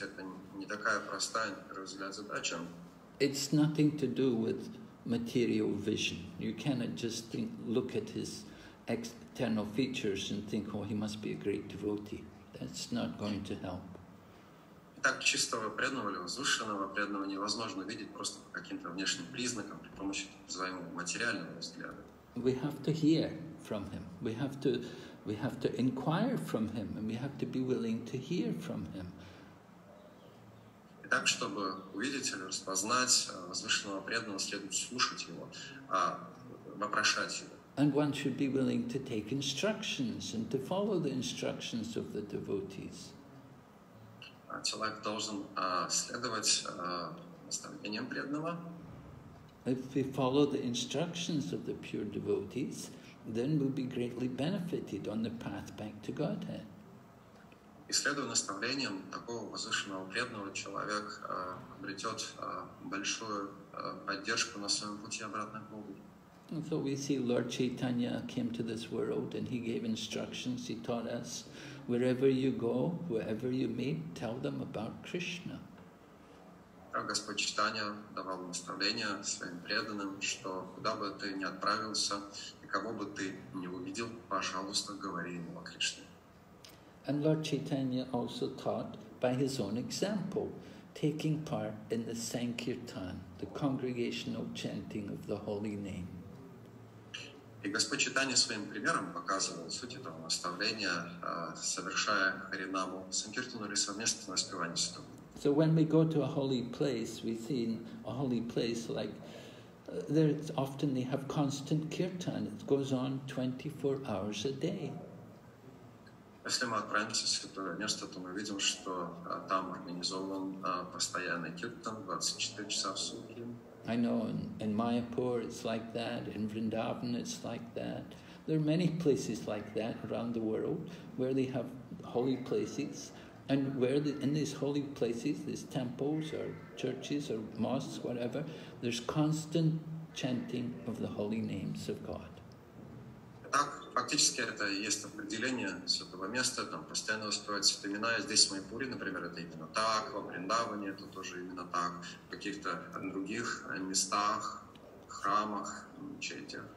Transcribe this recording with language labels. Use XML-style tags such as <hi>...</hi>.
<ru>Это не такая простая, на первый взгляд, задача.</ru> <en>It's nothing to do with material vision. You cannot just think, look at his external features and think, oh, he must be a great devotee. That's not going to help.</en> <ru>Так чистого преданного или возвышенного преданного невозможно видеть просто по каким-то внешним признакам при помощи своего материального взгляда.</ru> <en>We have to hear from him. We have to inquire from him, and we have to be willing to hear from him.</en> <ru>Так, чтобы увидеть или распознать возвышенного преданного, следует слушать его, вопрошать его.</ru> <en>And one should be willing to take instructions and to follow the instructions of the devotees.</en> <ru>Человек должен следовать наставлениям преданного.</ru> <en>If we follow the instructions of the pure devotees, then we'll be greatly benefited on the path back to Godhead.</en> <ru>Исследуя наставлениям такого возвышенного преданного, человек обретет большую поддержку на своем пути обратно к Богу.</ru> <en>And so we see Lord Chaitanya came to this world and he gave instructions, he taught us, wherever you go, wherever you meet, tell them about Krishna.</en> <ru>Господь Чайтанья давал наставления своим преданным, что куда бы ты ни отправился и кого бы ты ни увидел, пожалуйста, говори ему о Кришне.</ru> <en>And Lord Chaitanya also taught by his own example, taking part in the Sankirtan, the congregational chanting of the holy name.</en> <ru>И Господь Чайтанья своим примером показывал суть этого наставления, совершая харинаму, санкиртану или совместное воспевание святого.</ru> <en>So when we go to a holy place, we see in a holy place like there, it's often they have constant kirtan. It goes on 24 hours a day.</en> <ru>Если мы отправимся в святое место, то мы видим, что там организован постоянный киртан 24 часа в сутки.</ru> <en>I know in Mayapur it's like that, in Vrindavan it's like that. There are many places like that around the world where they have holy places. And where in these holy places, these temples or churches or mosques, whatever, there's constant chanting of the holy names of God.</en> <ru>Так, фактически это и есть определение святого места, там постоянно воспевают святые имена. Здесь в Майпуре, например, это именно так, во Вриндаване это тоже именно так, в каких-то других местах, храмах, мечетях.</ru>